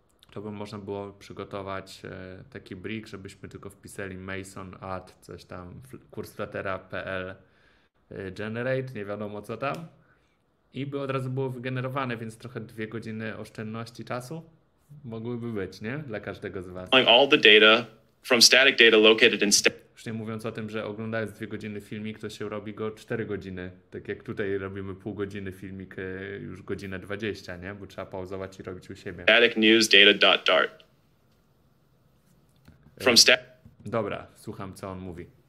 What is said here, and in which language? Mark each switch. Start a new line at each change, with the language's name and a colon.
Polish: To by można było przygotować taki brick, żebyśmy tylko wpisali Mason add coś tam, kursflatera.pl generate, nie wiadomo co tam. i by od razu było wygenerowane, więc trochę 2 godziny oszczędności czasu mogłyby być, nie? Dla każdego z was.
English: All the data from static data located in static.
Polish: Już nie mówiąc o tym, że oglądając 2 godziny filmik, to się robi go 4 godziny. Tak jak tutaj robimy pół godziny filmik, już 1:20, nie? Bo trzeba pauzować i robić u siebie.
English: Static news data dot dart. From static.
Polish: Dobra, słucham, co on mówi.